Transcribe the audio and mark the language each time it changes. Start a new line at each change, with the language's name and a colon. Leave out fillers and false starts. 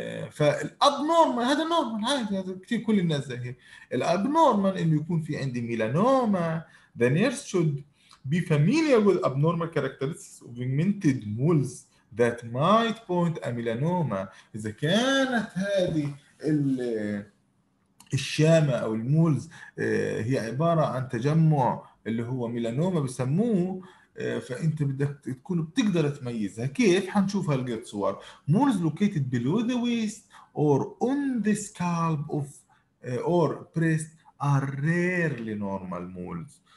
Arabic: فالاب نورمال هذا نورمال، هذا كثير كل الناس زي هيك. الاب نورمال انه يكون في عندي ميلانوما،
English: the nurse should be familiar with abnormal characteristics of pigmented moles that might point a melanoma.
Arabic: اذا كانت هذه الشامه او المولز هي عباره عن تجمع اللي هو ميلانوما بسموه، فانت بدك تكون بتقدر تميزها. كيف حنشوف هالقد صور؟
English: Moles located below the waist or on the scalp of or breast are rarely normal moles.